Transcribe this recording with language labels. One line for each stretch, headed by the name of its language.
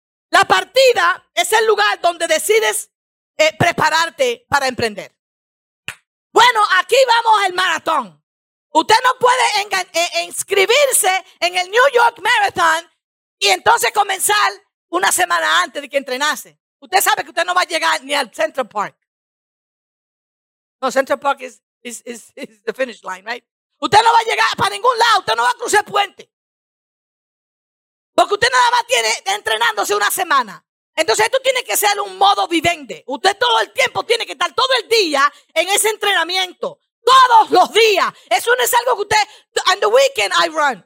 Spanish: La partida es el lugar donde decides prepararte para emprender. Bueno, aquí vamos al maratón. Usted no puede inscribirse en el New York Marathon y entonces comenzar una semana antes de que entrenase. Usted sabe que usted no va a llegar ni al Central Park.
English: No, Central Park is the finish line, right?
Spanish: Usted no va a llegar para ningún lado. Usted no va a cruzar el puente. Porque usted nada más tiene entrenándose una semana. Entonces esto tiene que ser un modo vivente. Usted todo el tiempo tiene que estar todo el día en ese entrenamiento. Todos los días. Eso no es algo que usted,
English: on the weekend I run.